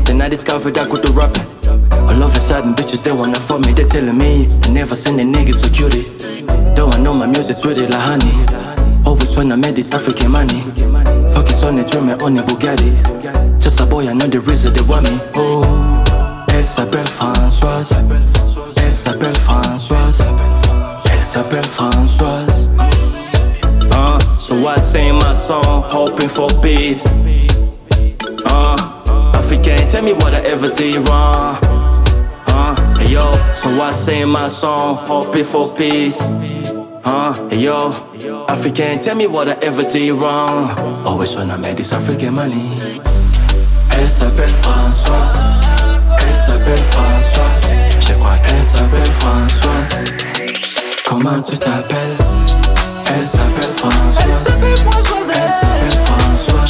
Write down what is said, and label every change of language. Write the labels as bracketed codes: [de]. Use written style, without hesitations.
[en] Then I discovered I could do rapping. All of a sudden, bitches, they wanna fuck me. They telling me, I never seen a nigga so cute. Though I know my music's really like honey. Always tryna make this African money. Focus on the dream and on the Bugatti. Just a boy, I know the reason they want me. [fr] Oh, elle s'appelle Françoise. Elle s'appelle Françoise. Elle s'appelle Françoise. [en] So I sing my song, hoping for peace. African, tell me what I ever did wrong. Hey yo, so I sing my song, hoping for peace. Hey yo, African, tell me what I ever did wrong. Always when I made this African money. [fr] Elle s'appelle Françoise. Elle s'appelle Françoise. Je crois qu'elle s'appelle Françoise. Comment tu t'appelles? Elle s'appelle Françoise. Elle s'appelle Françoise. Elle s'appelle Françoise.